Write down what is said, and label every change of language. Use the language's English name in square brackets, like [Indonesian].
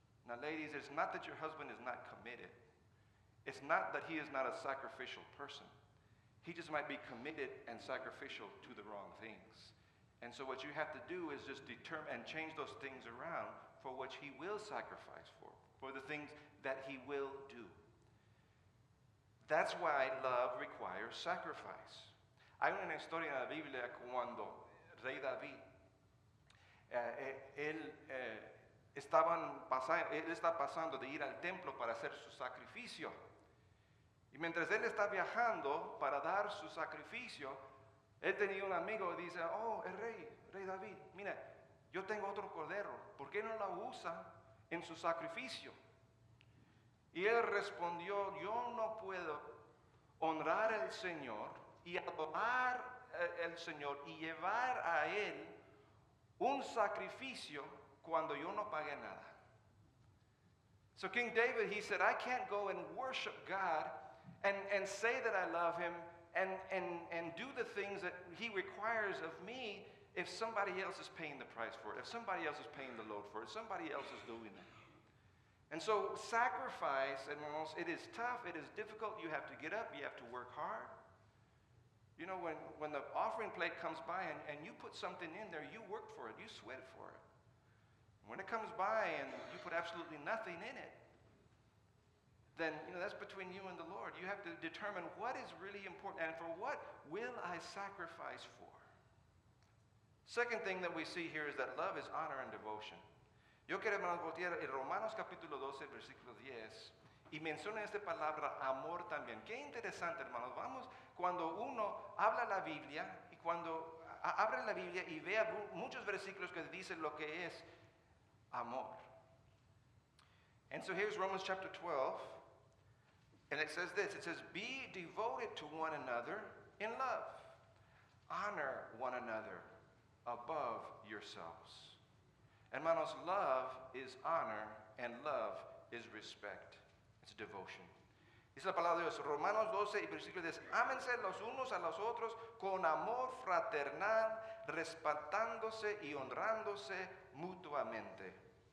[English] Now, ladies, it's not that your husband is not committed. It's not that he is not a sacrificial person. He just might be committed and sacrificial to the wrong things. And so what you have to do is just determine and change those things around for what he will sacrifice for the things that he will do. That's why love requires sacrifice. [Spanish] Hay una historia en la Biblia cuando Rey David, él está pasando de ir al templo para hacer su sacrificio. Y mientras él está viajando para dar su sacrificio, él tenía un amigo y dice, oh, el rey David, mira, yo tengo otro cordero, ¿por qué no lo usa en su sacrificio? Y él respondió, yo no puedo honrar al Señor y adorar al Señor y llevar a él un sacrificio cuando yo no pague nada. [English] So King David, he said, I can't go and worship God and say that I love him and do the things that he requires of me if somebody else is paying the price for it, if somebody else is paying the load for it, if somebody else is doing it. And so sacrifice, hermanos, it is tough, it is difficult. You have to get up, you have to work hard. You know, when the offering plate comes by and you put something in there, you worked for it, you sweated for it. When it comes by and you put absolutely nothing in it, then, you know, that's between you and the Lord. You have to determine what is really important and for what will I sacrifice for. Second thing that we see here is that love is honor and devotion. [Spanish] Yo quiero, hermanos, voltear en Romanos capítulo 12, versículo 10, y menciona esta palabra amor también. Qué interesante, hermanos. Vamos, cuando uno habla la Biblia, y cuando abre la Biblia y vea muchos versículos que dicen lo que es amor. [English] And so here's Romans chapter 12, and it says this. It says, be devoted to one another in love. Honor one another above yourselves. Hermanos, love is honor, and love is respect. It's devotion. [Spanish] Dice la palabra de Dios, Romanos 12, y versículo 10. Ámense los unos a los otros con amor fraternal, respetándose y honrándose mutuamente.